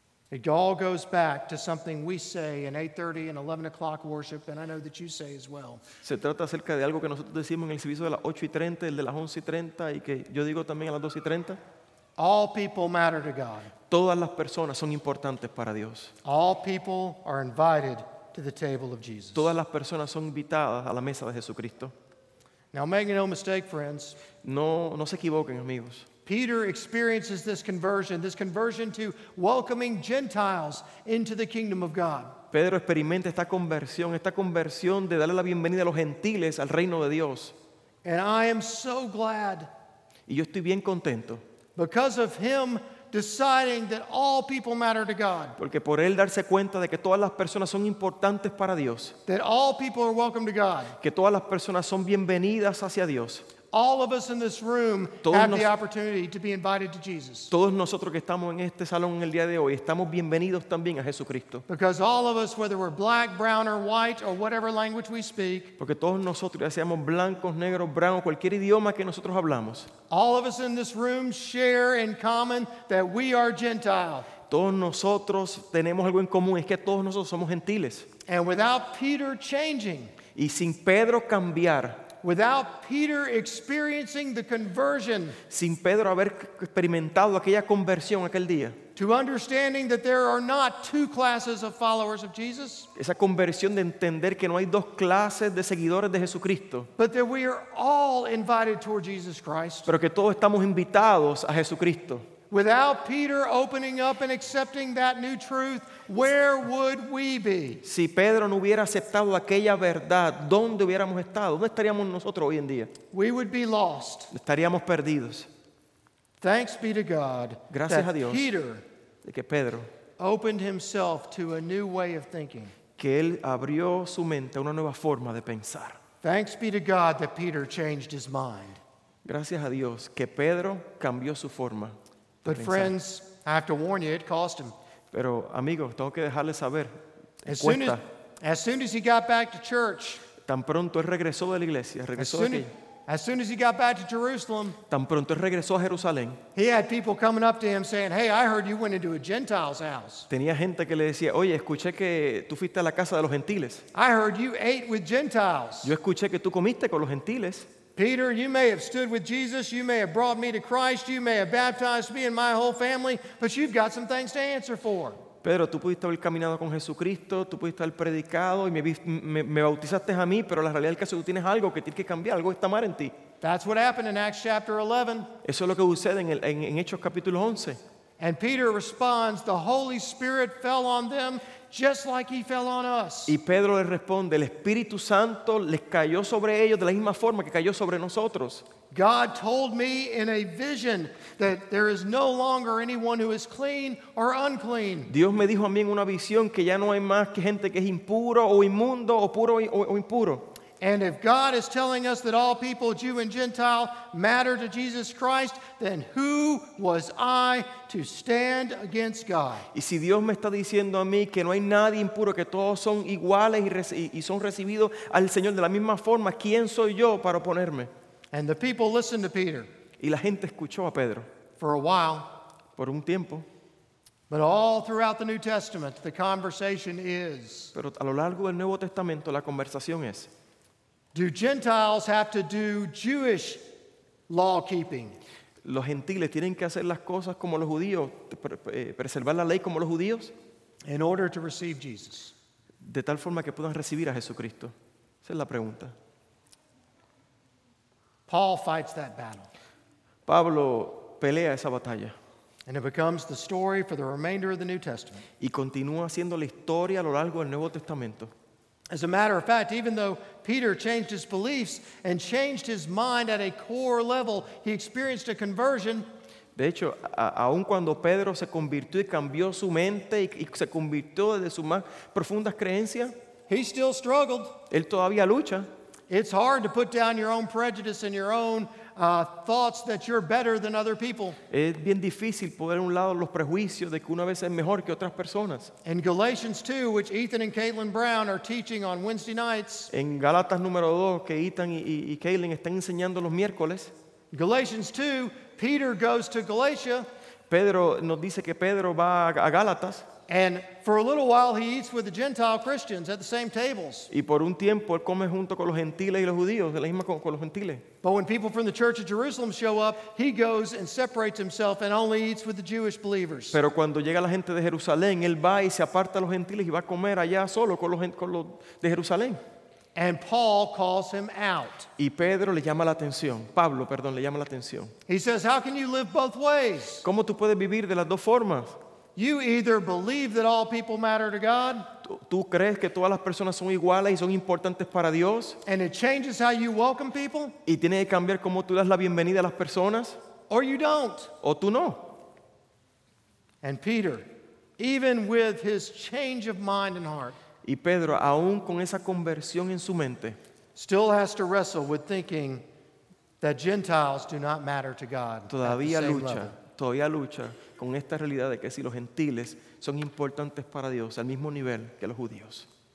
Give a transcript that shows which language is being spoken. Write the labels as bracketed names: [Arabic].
[English] It all goes back to something we say in 8:30 and 11 o'clock worship, and I know that you say as well. [Spanish] Se trata acerca de algo que nosotros decimos en el servicio de las 8:30, el de las 11:30, y que yo digo también a las 2:30. [English] All people matter to God. [Spanish] Todas las personas son importantes para Dios. [English] All people are invited to the table of Jesus. [Spanish] Todas las personas son invitadas a la mesa de Jesucristo. [English] Now make no mistake, friends. [Spanish] No se equivoquen, amigos. [English] Peter experiences this conversion to welcoming Gentiles into the kingdom of God. [Spanish] Pedro experimenta esta conversión de darle la bienvenida a los gentiles al reino de Dios. [English] And I am so glad. [Spanish] Y yo estoy bien contento. [English] Because of him deciding that all people matter to God. [Spanish] Porque por él darse cuenta de que todas las personas son importantes para Dios. [English] That all people are welcome to God. [Spanish] Que todas las personas son bienvenidas hacia Dios. [English] All of us in this room have the opportunity to be invited to Jesus. [Spanish] Todos nosotros que estamos en este salón el día de hoy estamos bienvenidos también a Jesucristo. [English] Because all of us, whether we're black, brown, or white, or whatever language we speak, [Spanish] porque todos nosotros, ya seamos blancos, negros, brancos, cualquier idioma que nosotros hablamos, [English] all of us in this room share in common that we are Gentile. [Spanish] Todos nosotros tenemos algo en común, es que todos nosotros somos gentiles. [English] And without Peter changing, [Spanish] y sin Pedro cambiar, [English] Without Peter experiencing the conversion, [Spanish] sin Pedro haber experimentado aquella conversión aquel día, [English] to understanding that there are not two classes of followers of Jesus, [Spanish] esa conversión de entender que no hay dos clases de seguidores de Jesucristo, [English] but that we are all invited toward Jesus Christ, [Spanish] pero que todos estamos invitados a Jesucristo. [English] Without Peter opening up and accepting that new truth, where would we be? [Spanish] Si Pedro no hubiera aceptado aquella verdad, ¿dónde hubiéramos estado? ¿Dónde estaríamos nosotros hoy en día? [English] We would be lost. [Spanish] Estaríamos perdidos. [English] Thanks be to God. [Spanish] Gracias a Dios. [English] That Peter, [Spanish] de que Pedro, [English] opened himself to a new way of thinking. [Spanish] Que él abrió su mente a una nueva forma de pensar. [English] Thanks be to God that Peter changed his mind. [Spanish] Gracias a Dios que Pedro cambió su forma. [English] But friends, I have to warn you, it cost him. [Spanish] Pero amigos, tengo que dejarles saber. [English] As soon as he got back to church, [Spanish] tan pronto él regresó de la iglesia, regresó de aquí. [English] As soon as he got back to Jerusalem, [Spanish] tan pronto él regresó a Jerusalén, [English] he had people coming up to him saying, "Hey, I heard you went into a Gentile's house." [Spanish] Tenía gente que le decía, "Oye, escuché que tú fuiste a la casa de los gentiles." [English] I heard you ate with Gentiles. [Spanish] Yo escuché que tú comiste con los gentiles. [English] Peter, you may have stood with Jesus, you may have brought me to Christ, you may have baptized me and my whole family, but you've got some things to answer for. [Spanish] Pedro, tú pudiste haber caminado con Jesucristo, tú pudiste haber predicado y me bautizaste a mí, pero la realidad es que tú tienes algo que tienes que cambiar, algo está mal en ti. [English] That's what happened in Acts chapter 11. [Spanish] Eso es lo que sucede en Hechos capítulo 11. [English] And Peter responds, the Holy Spirit fell on them just like he fell on us. [Spanish] Y Pedro le responde, el Espíritu Santo les cayó sobre ellos de la misma forma que cayó sobre nosotros. [English] God told me in a vision that there is no longer anyone who is clean or unclean. [Spanish] Dios me dijo a mí en una visión que ya no hay más que gente que es impuro o inmundo o puro o impuro. [English] And if God is telling us that all people, Jew and Gentile, matter to Jesus Christ, then who was I to stand against God? [Spanish] Y si Dios me está diciendo a mí que no hay nadie impuro, que todos son iguales y son recibidos al Señor de la misma forma, ¿quién soy yo para oponerme? [English] And the people listened to Peter. [Spanish] Y la gente escuchó a Pedro. [English] For a while. [Spanish] Por un tiempo. [English] But all throughout the New Testament, the conversation is. [Spanish] Pero a lo largo del Nuevo Testamento, la conversación es. [English] Do Gentiles have to do Jewish law keeping? [Spanish] Los gentiles tienen que hacer las cosas como los judíos, preservar la ley como los judíos, [English] in order to receive Jesus. [Spanish] De tal forma que puedan recibir a Jesucristo. Esa es la pregunta. [English] Paul fights that battle. [Spanish] Pablo pelea esa batalla. [English] And it becomes the story for the remainder of the New Testament. [Spanish] Y continúa siendo la historia a lo largo del Nuevo Testamento. [English] As a matter of fact, even though Peter changed his beliefs and changed his mind at a core level, he experienced a conversion. [Spanish] De hecho, aun cuando Pedro se convirtió y cambió su mente y se convirtió desde sus más profundas creencias, [English] he still struggled. [Spanish] Él todavía lucha. [English] It's hard to put down your own prejudice and your own thoughts that you're better than other people. [Spanish] Es bien difícil poner a un lado los prejuicios de que uno a veces es mejor que otras personas. [English] In Galatians 2, which Ethan and Caitlin Brown are teaching on Wednesday nights. [Spanish] En Galatas número 2, que Ethan y Caitlin están enseñando los miércoles. [English] Galatians 2, Peter goes to Galatia. [Spanish] Pedro nos dice que Pedro va a Gálatas. [English] And for a little while he eats with the Gentile Christians at the same tables. [Spanish] Y por un tiempo él come junto con los gentiles y los judíos, de la misma con los gentiles. [English] But when people from the church of Jerusalem show up, he goes and separates himself and only eats with the Jewish believers. [Spanish] Pero cuando llega la gente de Jerusalén, él va y se aparta a los gentiles y va a comer allá solo con los de Jerusalén. [English] And Paul calls him out. [Spanish] Y Pedro le llama la atención. Pablo, perdón, le llama la atención. [English] He says, "How can you live both ways?" [Spanish] ¿Cómo tú puedes vivir de las dos formas? [English] You either believe that all people matter to God. [Spanish] ¿Tú crees que todas las personas son iguales y son importantes para Dios? [English] And it changes how you welcome people. [Spanish] ¿Y tiene que cambiar cómo tú das la bienvenida a las personas? [English] Or you don't. [Spanish] ¿O tú no? [English] And Peter, even with his change of mind and heart. [Spanish] Y Pedro, aún con esa conversión en su mente, [English] still has to wrestle with thinking that Gentiles do not matter to God. [Spanish] Todavía lucha con esta realidad de que si los gentiles son importantes para Dios al mismo nivel que los judíos.